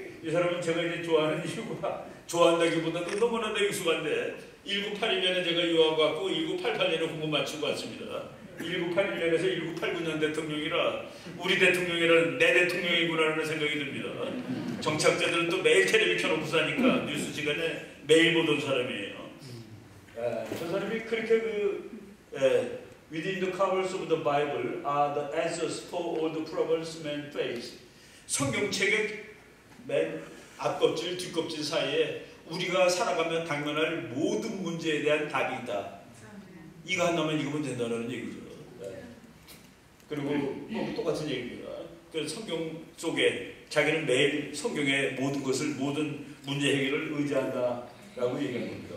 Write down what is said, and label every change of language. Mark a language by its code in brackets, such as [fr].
[ko] 이 사람은 제가 이제 좋아하는 이유가 좋아한다기보다도 너무나도 익숙한데 1982년에 제가 유학 왔고 1988년에 공부 마치고 왔습니다. 1981년에서 1989년 대통령이라 우리 대통령이라는 내 대통령이구나라는 생각이 듭니다. 정치학자들은 또 매일 텔레비 켜놓고 사니까 뉴스 시간에 매일 보던 사람이에요. 예, 저 사람이 그렇게 그 예, [en] Within the covers of the Bible are the answers for all the problems men face. [ko] 성경책의 맨 앞껍질 뒷껍질 사이에 우리가 살아가면 당면할 모든 문제에 대한 답이 있다. 이거 한다면 이거 보면 된다는 얘기죠. 네. 그리고 똑같은 얘기입니다. 그 성경 속에 자기는 매일 성경의 모든 것을 모든 문제 해결을 의지한다라고 얘기한 겁니다.